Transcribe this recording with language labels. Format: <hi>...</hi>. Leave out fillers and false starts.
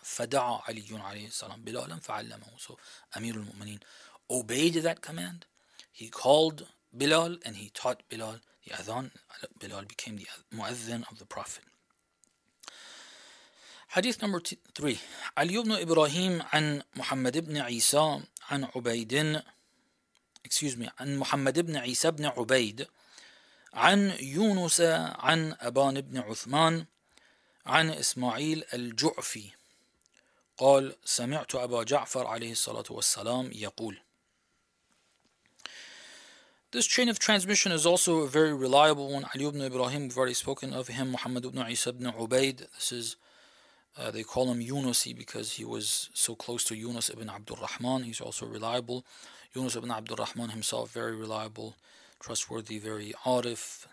<ar>فدعا علي عليه السلام بلالا فعلمه.</ar> <en>So Amir al-Mu'mineen obeyed that command. He called Bilal and he taught Bilal the أذان. Bilal became the مؤذن of the Prophet. Hadith number 3.</en> <ar>علي بن إبراهيم عن محمد بن عيسى عن عبيد,</ar> <en>excuse me,</en> <ar>عن محمد بن عيسى بن عبيد عن يونس عن أبان بن عثمان عن إسماعيل الجعفي قال سمعت أبا جعفر عليه الصلاة والسلام يقول.</ar> <en>This chain of transmission is also a very reliable one. Ali ibn Ibrahim, we've already spoken of him, Muhammad ibn Isa ibn Ubaid. This is, they call him Yunusi because he was so close to Yunus ibn Abdul Rahman. He's also reliable. Yunus ibn Abdul Rahman himself, very reliable, trustworthy, very arif.</en>